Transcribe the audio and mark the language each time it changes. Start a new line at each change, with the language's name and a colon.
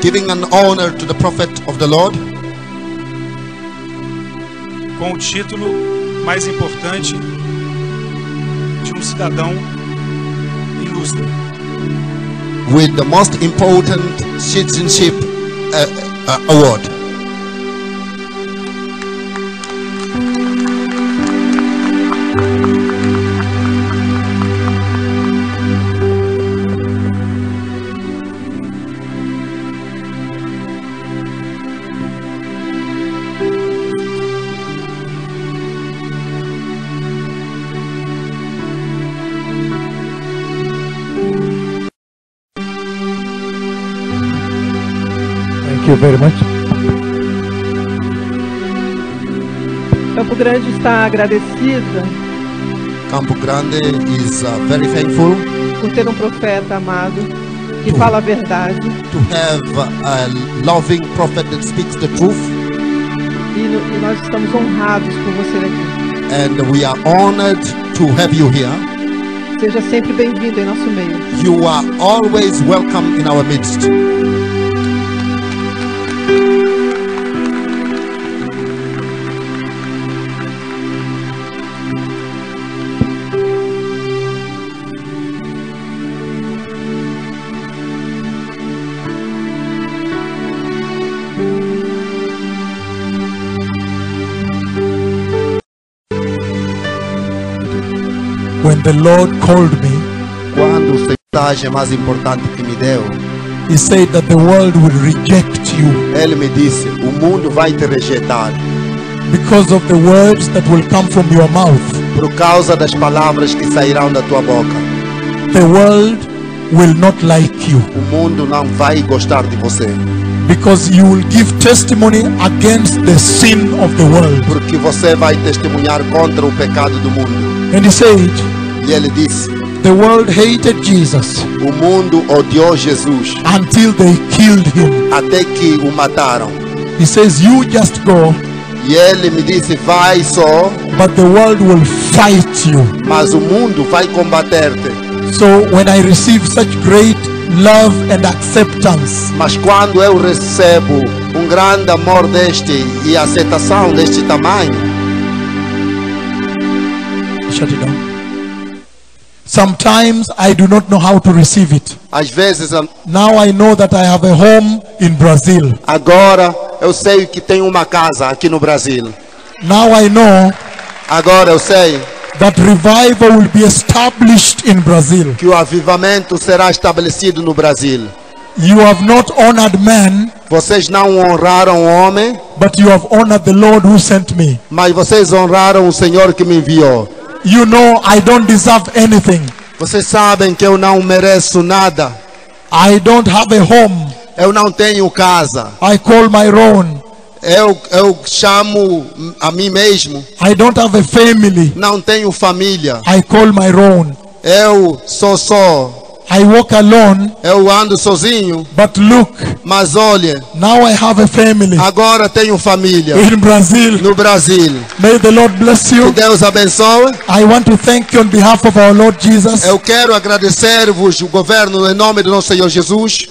English: giving an honor to the prophet of the Lord,
Portuguese: com o título mais importante de um cidadão ilustre,
English: with the most important citizenship award. Thank you very much.
Portuguese: Campo Grande está agradecida.
English: Campo Grande is very thankful.
Portuguese: Por ter um profeta amado que fala a verdade.
English: To have a loving prophet that speaks the truth.
Portuguese: E nós estamos honrados por você aqui.
English: And we are honored to have you here.
Portuguese: Seja sempre bem-vindo em nosso meio.
English: You are always welcome in our midst. When the Lord called me,
Portuguese: quando o Senhor é mais importante que me deu,
English: he said that the world will reject you.
Portuguese: Ele me disse, o mundo vai te rejeitar.
English: Because of the words that will come from your mouth.
Portuguese: Por causa das palavras que sairão da tua boca.
English: The world will not like you.
Portuguese: O mundo não vai gostar de você.
English: Because you will give testimony against the sin of the world.
Portuguese: Porque você vai testemunhar contra o pecado do mundo.
English: And he said,
Portuguese: e ele disse,
English: the world hated Jesus.
Portuguese: O mundo odiou Jesus.
English: Until they killed him.
Portuguese: Até que o mataram.
English: He says, you just go.
Portuguese: E ele me disse, vai só.
English: But the world will fight you.
Portuguese: Mas o mundo vai combater-te.
English: So when I receive such great love and acceptance.
Portuguese: Mas quando eu recebo um grande amor deste e aceitação deste tamanho.
English: Shut it down. Sometimes I do not know how to receive it.
Portuguese: Às vezes,
English: now I know that I have a home in Brazil.
Portuguese: Agora eu sei que tenho uma casa aqui no Brasil.
English: Now I know.
Portuguese: Agora eu sei
English: that revival will be established in Brazil.
Portuguese: Que o avivamento será estabelecido no Brasil.
English: You have not honored men.
Portuguese: Vocês não honraram o homem.
English: But you have honored the Lord who sent me.
Portuguese: Mas vocês honraram o Senhor que me enviou.
English: You know I don't deserve anything.
Portuguese: Vocês sabem que eu não mereço nada.
English: I don't have a home.
Portuguese: Eu não tenho casa.
English: I call my own.
Portuguese: Eu chamo a mim mesmo.
English: I don't have a family.
Portuguese: Não tenho família.
English: I call my own.
Portuguese: Eu sou só.
English: I walk alone.
Portuguese: Eu ando sozinho.
English: But look.
Portuguese: Mas olhe.
English: Now I have a family.
Portuguese: Agora tenho família.
English: In Brazil.
Portuguese: No Brasil.
English: May the Lord bless you.
Portuguese: Que Deus abençoe.
English: I want to thank you on behalf of our Lord Jesus.
Portuguese: Eu quero agradecer-vos o governo em nome do nosso Senhor Jesus.